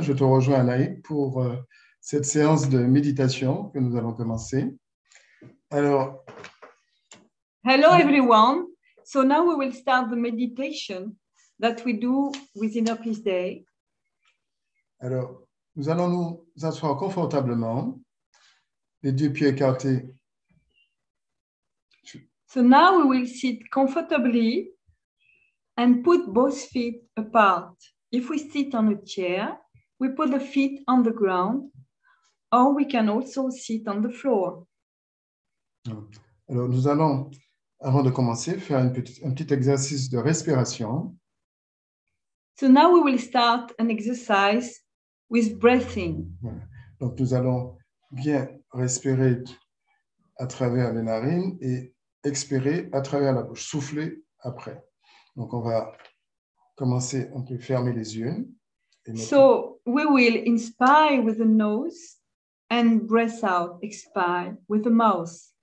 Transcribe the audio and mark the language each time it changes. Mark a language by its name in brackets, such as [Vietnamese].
[French] Je te rejoins, Anaïc, pour cette séance de méditation que nous allons commencer. Alors. [English] Hello, everyone. So now we will start the meditation that we do within a peace day. [French] Alors, nous allons nous asseoir confortablement, les deux pieds écartés. [English] So now we will sit comfortably and put both feet apart. If we sit on a chair, we put the feet on the ground, or we can also sit on the floor. [French] Alors, nous allons, avant de commencer, faire un petit exercice de respiration. [English] So now we will start an exercise with breathing. [French] Donc, nous allons bien respirer à travers les narines et expirer à travers la bouche, souffler après. Donc, on va commencer, on peut fermer les yeux. [English] So, we will inspire with the nose and breath out, expire with the mouth.